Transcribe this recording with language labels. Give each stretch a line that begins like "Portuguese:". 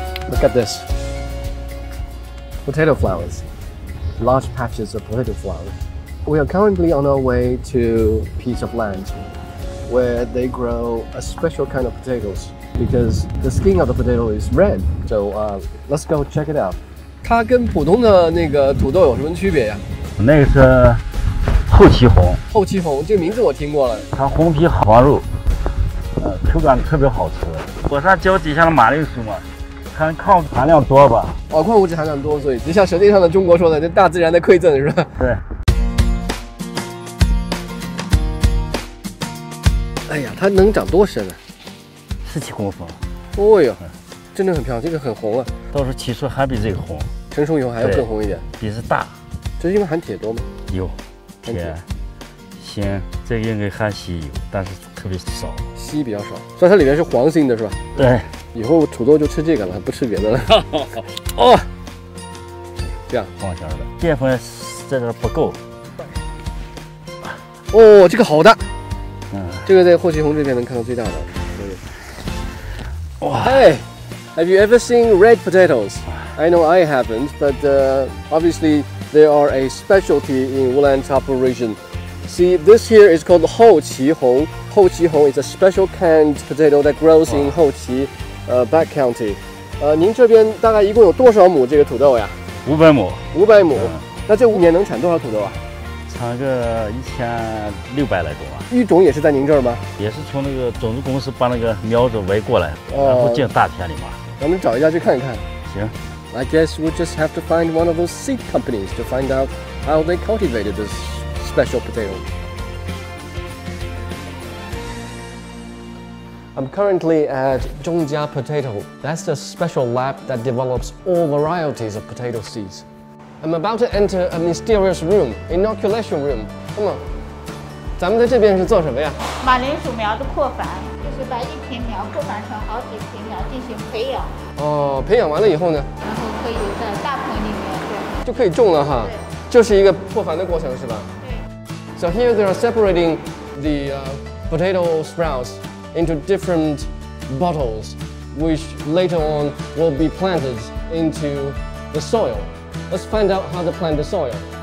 English: Look at this. Potato flowers. Large patches of potato flowers. We are currently on our way to a piece of land where they grow a special kind of potatoes because the skin of the potato is red. So let's go check it out.
Chinese: 它跟普通的那个土豆有什么区别呀？那个是后期红。后期红，这个名字我听过了。它红皮黄肉，口感特别好吃。火山椒底下的马铃薯嘛，看矿物质含量多吧？哦，矿物质含量多，所以就像《舌尖上的中国》说的，这大自然的馈赠是吧？对。哎呀，它能长多深啊？ 17公分。哦哟，真的很漂亮，这个很红啊。到时候起初还比这个红，成熟以后还要更红一点，比这大。这因为含铁多吗？有，铁、锌，这个应该含硒有，但是特别少。硒比较少，所以它里面是黄心的是吧？对。以后土豆就吃这个了，不吃别的了。哦，这样放下了，淀粉在这不够。哦，这个好大。这个在后期红这边能看到最大的。
English: Hey, have you ever seen red potatoes? I know I haven't, but obviously there are a specialty in Ulanqab region. See, this here is called hou qi hong. Hou qi hong is a special kind potato that grows in hou qi, back county.
Chinese: 您这边大概一共有多少亩这个土豆呀？ 500亩。 500亩，那这5年能产多少土豆啊？产个1600来种啊。育种也是在您这儿吗？也是从那个种子公司把那个苗子围过来，然后进大田里嘛。咱们找一家去看一看。行。
English: I guess we just have to find one of those seed companies to find out how they cultivated this special potato. I'm currently at Zhongjia Potato. That's a special lab that develops all varieties of potato seeds. I'm about to enter a mysterious room, inoculation room. Come on.
Chinese: 咱们在这边是做什么呀？马铃薯苗的扩繁，就是把一瓶苗扩繁成好几瓶苗进行培养。哦，培养完了以后呢？然后可以在大棚里面，对。就可以种了哈。对。就是一个扩繁的过程是吧？对。
English: So here they are separating the potato sprouts into different bottles, which later on will be planted into the soil. Let's find out how to plant the soil.